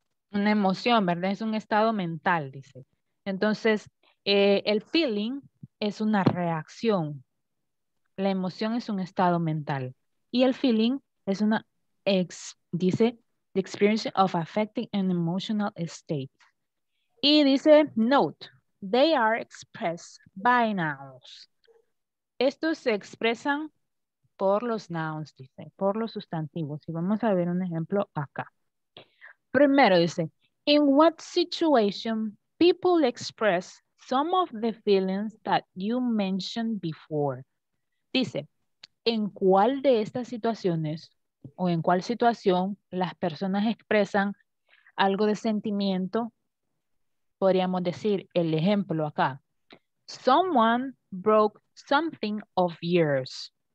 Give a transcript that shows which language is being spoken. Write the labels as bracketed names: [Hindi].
[Spanish] Una emoción, ¿verdad? Es un estado mental, dice. Entonces, el feeling es una reacción. La emoción es un estado mental. Y el feeling es una, dice, [English] the experience of affecting an emotional state. [Spanish] Y dice, [English] note, they are expressed by nouns. [Spanish] Estos se expresan por los nouns, dice, por los sustantivos. Y vamos a ver un ejemplo acá. Primero dice, [English] in what situation people express some of the feelings that you mentioned before. [Spanish] Dice, ¿en cuál de estas situaciones o en cuál situación las personas expresan algo de sentimiento? Podríamos decir el ejemplo acá. [English] Someone broke something of yours.